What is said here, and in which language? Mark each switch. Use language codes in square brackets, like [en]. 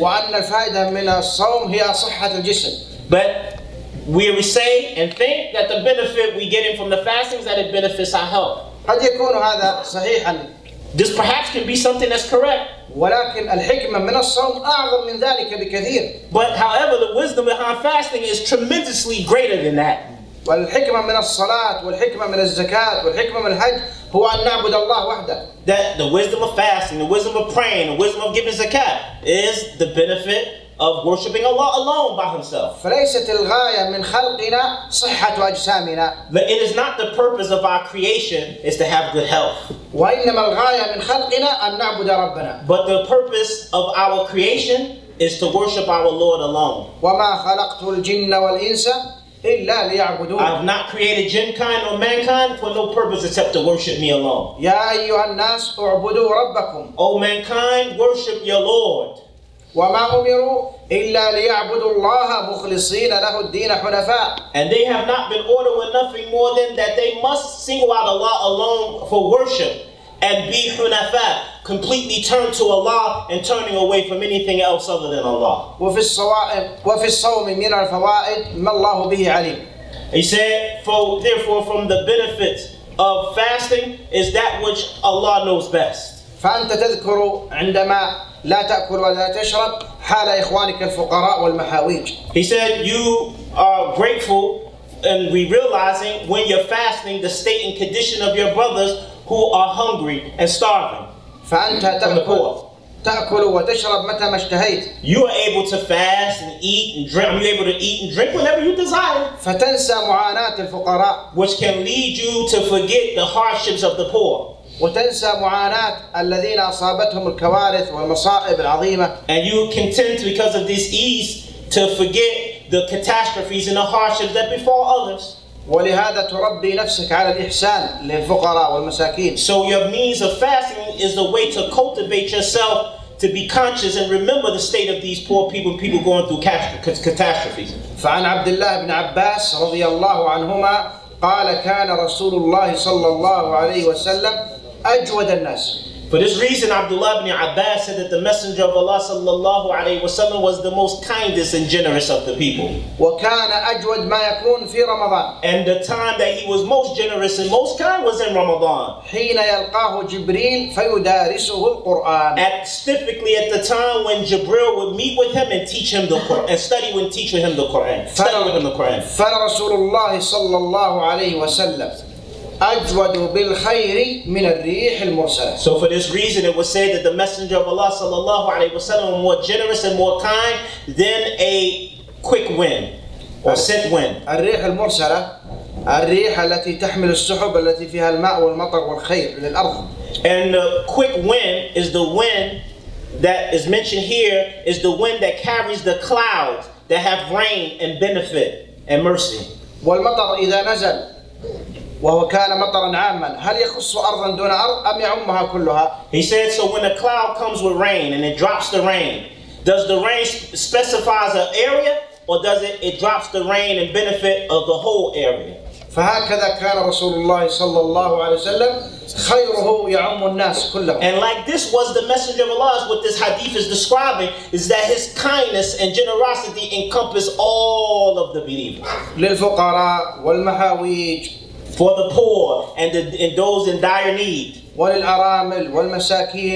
[ar] وأن الفائدة من الصوم هي صحة الجسم. [en] But we say and think that the benefit we get in from the fasting is that it benefits our health. [ar] قد يكون هذا صحيحاً. [en] This perhaps can be something that's correct. [ar] ولكن الحكمة من الصوم أعظم من ذلك بكثير. [en] But however, the wisdom behind fasting is tremendously greater than that. [ar] والحكمة من الصلاة والحكمة من الزكاة والحكمة من الحج هو أن نعبد الله وحده. [en] That the wisdom of fasting, the wisdom of praying, the wisdom of giving zakat is the benefit of worshiping Allah alone by Himself. [ar] فليست الغاية من خلقنا صحة أجسامنا. [en] But it is not the purpose of our creation is to have good health. [ar] وإنما الغاية من خلقنا أن نعبد ربنا. [en] But the purpose of our creation is to worship our Lord alone. [ar] وما خلقت الجن والإنس إلا ليعبدون. [en] I have not created jinkind or mankind for no purpose except to worship me alone. [ar] يا أيها الناس اعبدوا ربكم. [en] O mankind, worship your Lord. [ar] وما أمروا إلا ليعبدوا الله مخلصين له الدين حنفاء. [en] And they have not been ordered with nothing more than that they must single out Allah alone for worship and be حنفاء, completely turned to Allah and turning away from anything else other than Allah. [ar] وفي الصوم من الفوائد ما الله به عليم. [en] He said, for therefore from the benefits of fasting is that which Allah knows best. [ar] فأنت تذكر عندما لا تأكل ولا تشرب حال إخوانك الفقراء والمحاويج. [en] He said you are grateful and we realizing when you're fasting the state and condition of your brothers who are hungry and starving. [ar] فأنت تأكل وتشرب متى ما اشتهيت. [en] You are able to fast and eat and drink. You're able to eat and drink whenever you desire. [ar] فتنسى معاناة الفقراء. [en] Which can lead you to forget the hardships of the poor. [ar] وتنسى معاناة الذين أصابتهم الكوارث والمصائب العظيمة. [en] And you can tend to, because of this ease, to forget the catastrophes and the hardships that befall others. [ar] ولهذا تربي نفسك على الإحسان للفقراء والمساكين. [en] So your means of fasting is the way to cultivate yourself to be conscious and remember the state of these poor people, people going through catastrophes. [ar] فعن عبد الله بن عباس رضي الله عنهما قال كان رسول الله صلى الله عليه وسلم أجود الناس. [en] For this reason, Abdullah ibn Abbas said that the Messenger of Allah sallallahu alaihi wasallam was the most kindest and generous of the people. [ar] وكان أجود ما يكون في رمضان. [en] And the time that he was most generous and most kind was in Ramadan. [ar] حين يلقاه جبريل فيدارسه القرآن. [en] Specifically at the time when Jibril would meet with him and teach him the Quran and study and teach with him the Quran. [ar] فرسول الله صلى الله عليه وسلم أجود بالخير من الريح المرسلة. [en] So for this reason, it was said that the Messenger of Allah sallallahu alaihi wasallam was more generous and more kind than a quick wind or sent wind. [ar] الريح المرسلة, الريح التي تحمل السحب التي فيها الماء والمطر والخير للأرض. [en] And the quick wind is the wind that is mentioned here is the wind that carries the clouds that have rain and benefit and mercy. [ar] والمطر إذا نزل وهو كان مطرا عاما هل يخص أرضا دون أرض أم يعمها كلها. [en] He said, so when a cloud comes with rain and it drops the rain, does the rain specifies an area or does it drops the rain and benefit of the whole area. [ar] فهكذا كان رسول الله صلى الله عليه وسلم خيره يعم الناس كلهم. [en] And like this was the Messenger of Allah, is what this hadith is describing, is that his kindness and generosity encompass all of the believers. [ar] للفقراء والمحاويج. [en] For the poor and those in dire need. [ar] وللأرامل والمساكين.